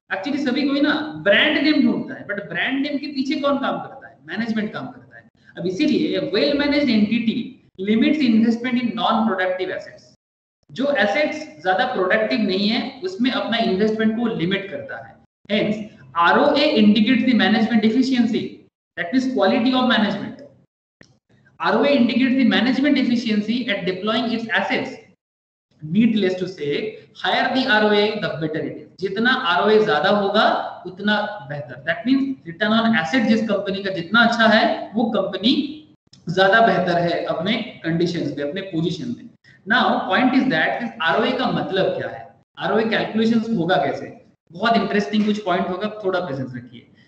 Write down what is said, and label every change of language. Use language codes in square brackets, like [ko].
[hi] Actually सभी कोई ना ब्रांड नेम ढूंढता है, बट ब्रांड नेम के पीछे कौन काम करता है, मैनेजमेंट काम करता है। अब इसीलिए [en] Well managed entity limits investment in non-productive assets. [hi] जो assets ज़्यादा productive नहीं है, उसमें अपना investment को limit करता है. [en] Hence, ROA indicates the management efficiency, that means quality of management. ROA indicates the management efficiency at deploying its assets. Needless to say, higher the ROA, the better it is. [hi] जितना ROA ज़्यादा होगा, उतना बेहतर. [en] That means return on asset [hi] जिस company का जितना अच्छा है, वो company ज्यादा बेहतर है अपने कंडीशंस पे, अपने पोजीशन में। [en] now point is that [hi] ROA का मतलब क्या है, आरओए कैलकुलेशंस होगा कैसे, बहुत इंटरेस्टिंग कुछ पॉइंट होगा, थोड़ा पेशेंस रखिए।